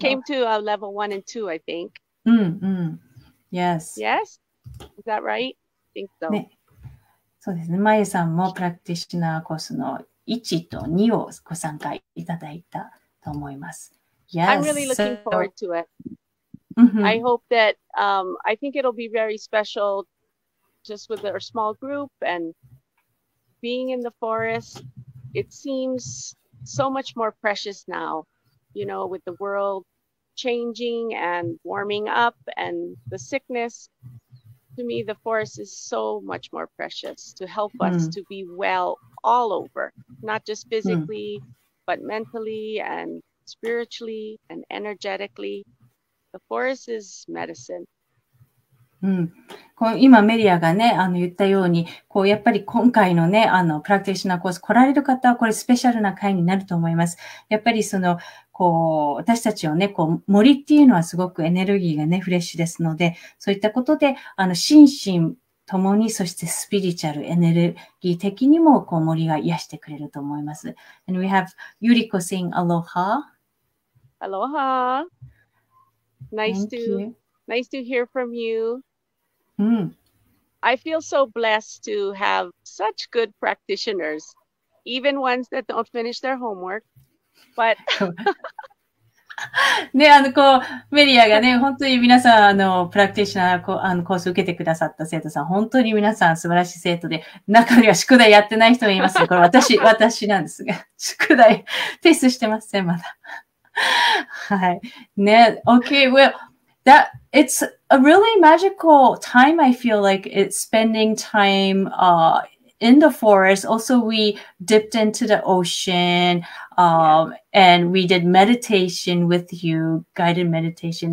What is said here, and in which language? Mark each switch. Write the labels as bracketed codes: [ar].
[en] She came to level one and two, I think. Mm-hmm. Yes. Yes? Is that right? I think so. ね。 [ja] そうですね。まゆさんもプラクティシナーコースの1と2をご参加いただいたと思います。 [en] Yes. I'm really looking forward to it. I hope that, I think it'll be very special just with our small group and being in the forest. It seems so much more precious now, you know, with the world changing and warming up and the sickness. To me, the forest is so much more precious to help us to be well all over, not just physically, but mentally and spiritually and energetically. The forest is medicine. [ja] うん、今メリアがね、言ったように、こう、やっぱり今回のね、プラクティショナーコース来られる方は、これスペシャルな回になると思います。やっぱりその、こう、私たちをね、こう、森っていうのはすごくエネルギーがね、フレッシュですので、そういったことで、心身ともに、そしてスピリチュアル、エネルギー的にも、こう、森が癒してくれると思います。 [en] And we have Yuriko saying aloha. Aloha. Nice to. Nice to hear from you. I feel so blessed to have such good practitioners, even ones that don't finish their homework. But... [ja] ね、こう、メリアがね、本当に皆さん、プラクティショナーこ、コース受けてくださった生徒さん、本当に皆さん素晴らしい生徒で、中には宿題やってない人もいますよ。これ私、私なんですが、宿題、提出してません、まだ。はい。 [en] ね、Okay, well,That, it's a really magical time, I feel like, it's spending time, in the forest. Also, we dipped into the ocean, and we did meditation with you, guided meditation.